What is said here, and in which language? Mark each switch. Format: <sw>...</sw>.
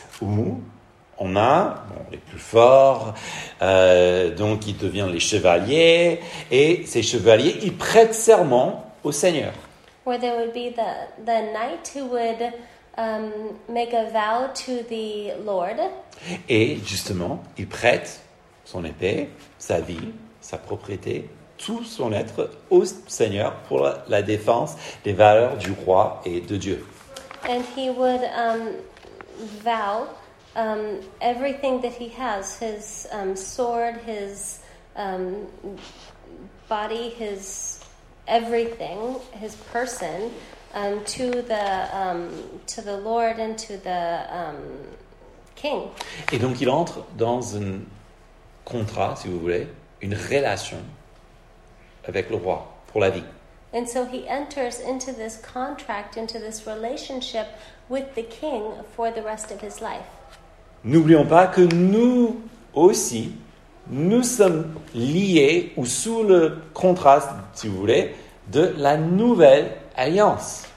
<fr>Où on a les plus forts, donc ils deviennent les chevaliers, et ces chevaliers, ils prêtent serment au Seigneur.</fr> <en>Where there would be the knight who would make a vow to the Lord.</en> <fr>Et justement, il prête son épée, sa vie, sa propriété, tout son être au Seigneur pour la défense des valeurs du roi et de Dieu.</fr> <en>And he would vow everything that he has, his sword, his body, his everything, his person, to the Lord and to the king.</en> <fr>Et donc il entre dans un contrat, si vous voulez, une relation avec le roi pour la vie.</fr> <en>And so he enters into this contract, into this relationship with the king for the rest of his life.</en> <fr>N'oublions pas que nous aussi, nous sommes liés ou sous le contrat, si vous voulez, de la nouvelle alliance.</fr>